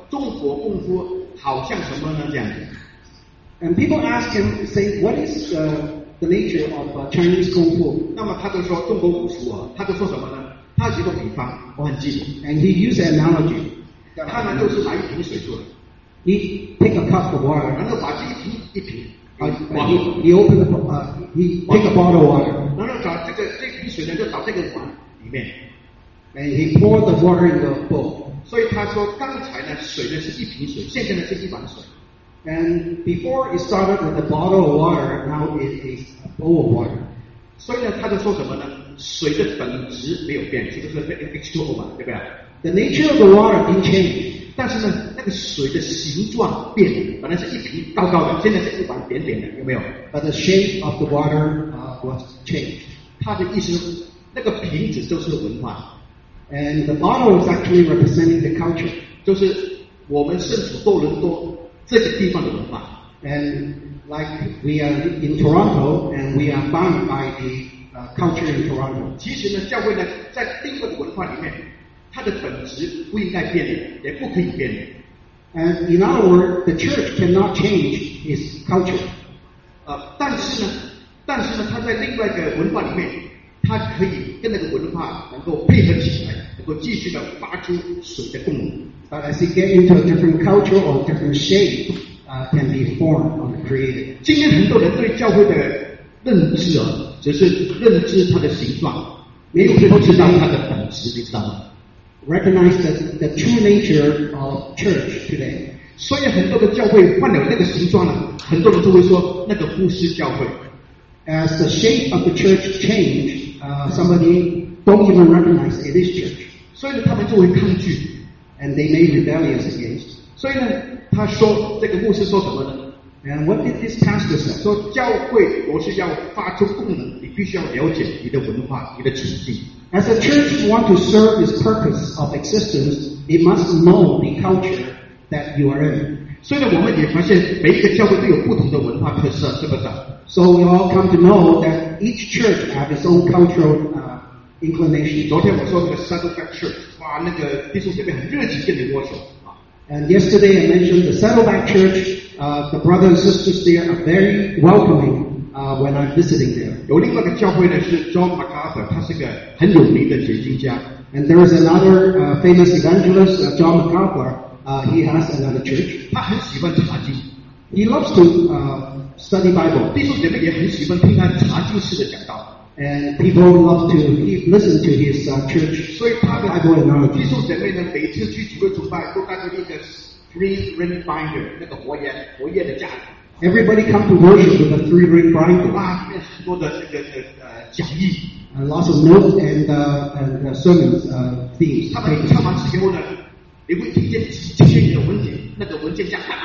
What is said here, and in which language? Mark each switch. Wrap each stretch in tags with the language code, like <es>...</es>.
<zh>中国功夫好像什么呢？这样子。</zh> <en>And people ask him, say, what is the nature of Chinese kung fu?</en> <zh>那么他就说中国功夫啊，他就说什么呢？他举个比方，我很记得。</zh> <en>And he used an analogy.</en> <zh>他呢就是拿一瓶水做的。</zh> <en>He take a cup of water.</en> <zh>然后把这一瓶。</zh> <en>He open the he take a bottle of water.</en> <zh>然后找这瓶水呢，就找这个碗里面。</zh> <en>And he pour the water in the bowl.</en> <zh>所以他说刚才呢水呢是一瓶水，现在呢是一碗水。</zh> <en>And before it started with a bottle of water, now it is a bowl of water.</en> <zh>所以呢他就说什么呢，水的本质没有变，就是 H2O 嘛，对不对？</zh> <en>The nature of the water didn't change.</en> <zh>但是呢那个水的形状变了，本来是一瓶高高的，现在是一碗扁扁的，有没有？</zh> <en>But the shape of the water was changed.</en> <zh>他的意思那个瓶子就是文化。</zh> <en>And the bottle is actually representing the culture.</en> <zh>就是我们身处多伦多这个地方的文化。</zh> <en>And like we are in Toronto, and we are bound by the culture in Toronto.</en> <zh>其实呢，教会呢，在另一个文化里面，它的本质不应该变，也不可以变。</zh> <en>And in other words, the church cannot change its culture.</en> <zh>但是呢，它在另外一个文化里面。它可以跟那个文化能够配合起来，能够继续的发出水的功能。</zh> <en>But as you get into a different culture or different shape, can be formed or created.</en> <zh>今天很多人对教会的认知啊，只是认知它的形状，没有认知到它的本质，你知道吗？</zh> <en>Recognize the true nature of church today.</en> <zh>所以很多的教会换了那个形状了，很多人都会说那个不是教会。</zh> <en>As the shape of the church changed, somebody don't even recognize it is church.</en> <zh>所以呢，他们就会抗拒</zh> <en>，and they may rebellious against.</en> <zh>所以呢，他说这个牧师说什么呢</zh> <en>？And what did this pastor say?</en> <zh>说教会我是要发出功能，你必须要了解你的文化，你的主题。</zh> <en>As a church want to serve its purpose of existence, it must know the culture that you are in.</en> <zh>所以呢，我们也发现每一个教会都有不同的文化特色，是不是？</zh> <en>So we all come to know that each church has its own cultural inclination.</en> <zh>昨天我说那个 Saddleback Church， 哇，那个弟兄姐妹很热情跟你握手。</zh> <en>And yesterday I mentioned the Saddleback Church. The brothers and sisters there are very welcoming when I'm visiting there.</en> <zh>有另外一个教会呢是 John MacArthur， 他是个很有名的解经家。</zh> <en>And there is another famous evangelist, John MacArthur. He has another church.</en> <zh>他很喜欢查经。</zh> <en>He loves to study Bible.</en> <zh>弟兄姐妹也很喜欢听他查经式的讲道。</zh> <en>And people love to listen to his church.</en> <zh>所以他的</zh> <en>Bible analogy.</en> <zh>弟兄姐妹呢，每次去聚会崇拜都带着一个</zh> <en>three ring binder，</en> <zh>那个活页的架子。</zh> <en>Everybody come to worship with a three ring binder.</en> <zh>哇，很多的这个讲义。</zh> <en>Lots of notes and sermons themes.</en> <zh>他们唱完之后呢，你会听见几千页的文件，那个文件架。</zh>